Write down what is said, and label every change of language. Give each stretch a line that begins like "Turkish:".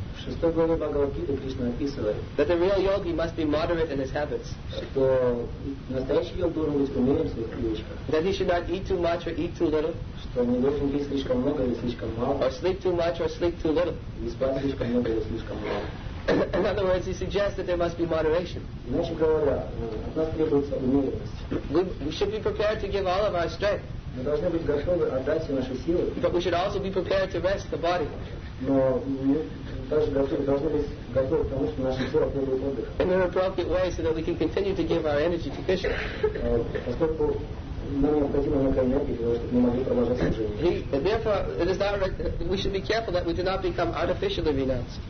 Russian: В шестой главе Бхагавад-гиты Кришна описывает,
English: that the real yogi must be moderate in his habits.
Russian: Что настоящий йог должен быть умерен в своих привычках.
English: That he should not eat too much or eat too little.
Russian: Что не должен есть слишком много или слишком мало.
English: Or sleep too much or sleep too little.
Russian: Не спать слишком много или слишком мало.
English: In other words, he suggests that there must be moderation.
Russian: Иначе говоря, от нас требуется умеренность.
English: We should be prepared to give all of our strength.
Russian: Мы должны быть готовы отдать все наши силы.
English: But we should also be prepared to rest the body.
Russian: Но мы также должны быть готовы к тому, что наше тело требует отдыха.
English: In an appropriate way, so that we can continue to give our energy to Krishna.
Russian: Поскольку нам необходима некая энергия, для того, чтобы мы могли продолжать служение.
English: Therefore, it is not right, we should be careful that we do not become artificially renounced.